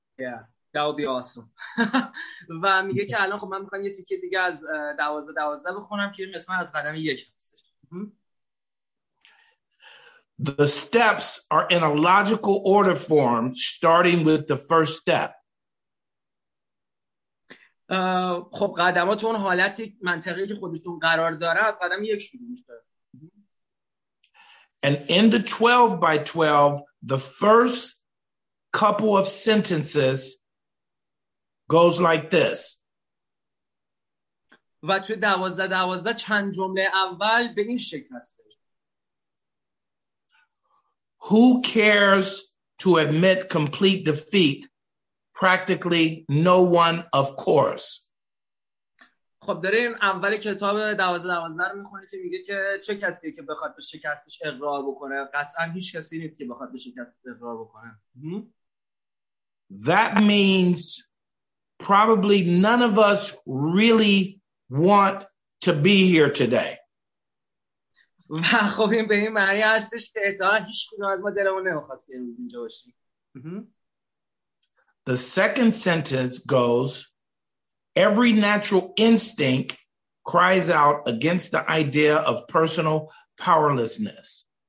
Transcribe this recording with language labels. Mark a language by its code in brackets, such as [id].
[en] Yeah, that would be awesome. [fa] و میگه که الان خب من میخوام یه تیکه دیگه از دوازده دوازده بخونم که این قسمت از قدم یک هستش. [en] The steps are in a logical order form, starting with the first step. [fa] خب قدمات اون حالتی منطقی که خودتون قرار داره از قدم یک شروع میشه. [en] And in the 12 by 12, the first couple of sentences goes like this. [fa] و توی دوازده دوازده چند جمله اول به این شکل است. [en] Who cares to admit complete defeat? Practically no one, of course. [fa] خب داریم اول کتاب دوازده دوازده رو میخونه که میگه که چه کسی که بخواد به شکستش اقرار بکنه. قطعا هیچ کسی نیست که بخواد به شکستش اقرار بکنه. [en] That means probably none of us really want to be here today. [fa] و خب این به این معنی هستش که احتمالا هیچ کدوم از ما دلمون نمیخواد که اینجا باشیم. [en] The second sentence goes, every natural instinct cries out against the idea of personal powerlessness.